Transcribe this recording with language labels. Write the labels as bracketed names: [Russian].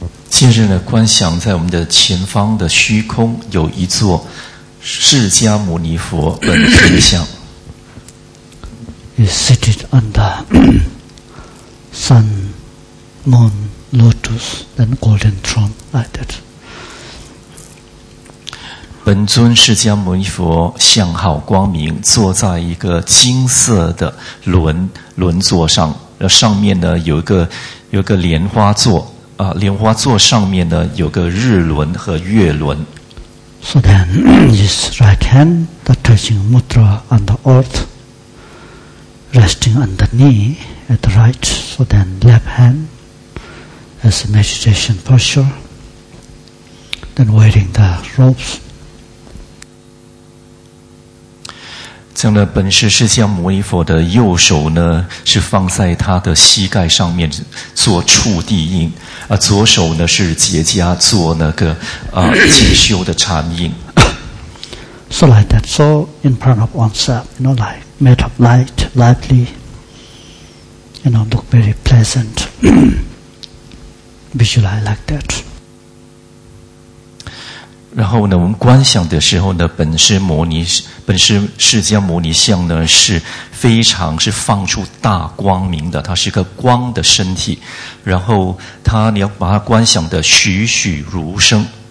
[Chinese] 近日呢，观想在我们的前方的虚空有一座释迦牟尼佛本尊像。 [English] Is seated under sun, moon, lotus, and golden throne like that. [Chinese] 本尊释迦牟尼佛相好光明，坐在一个金色的轮座上，上面呢有一个莲花座。莲花座上面呢有个日轮和月轮。 [English] So then, his right hand, the touching mudra on the earth, resting on the knee at the right. So then, left hand as a meditation posture. Then wearing the robes. [Chinese] 这样的本师释迦牟尼佛的右手呢是放在他的膝盖上面做触地印。左手呢是结痂做那个进修的禅印。 [English] So like that, so in front of oneself, you know, like made of light, lightly, you know, look very pleasant, visualize like that. [Chinese] 然后呢，我们观想的时候呢，本师释迦牟尼像呢是非常是放出大光明的，它是一个光的身体，然后它你要把它观想的栩栩如生。